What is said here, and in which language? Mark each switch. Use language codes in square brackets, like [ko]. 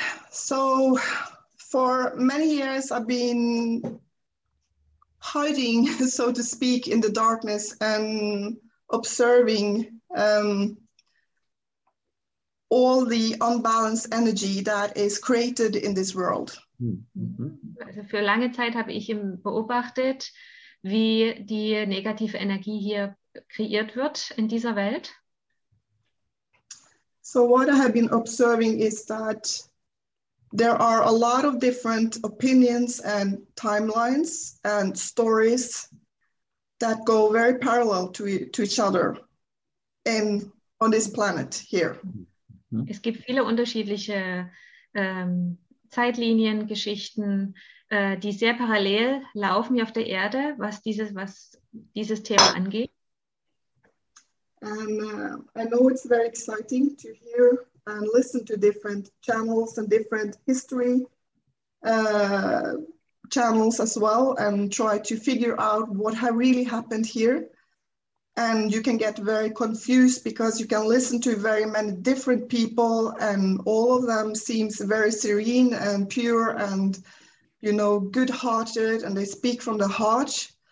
[en] So, for many years I've been hiding, so to speak, in the darkness and observing all the unbalanced energy that is created in this world. Mm-hmm. [de] Also für lange Zeit habe ich beobachtet, wie die negative Energie hier kreiert wird in dieser Welt. [en] So what I have been observing is that there are a lot of different opinions and timelines and stories that go very parallel to each other on this planet here. [de] Es gibt viele unterschiedliche Zeitlinien, Geschichten, die sehr parallel laufen hier auf der Erde, was dieses Thema angeht. [en] And I know it's very exciting to hear and listen to different channels and different history channels as well, and try to figure out what really happened here. And you can get very confused because you can listen to very many different people, and all of them seems very serene and pure and, you know, good-hearted, and they speak from the heart.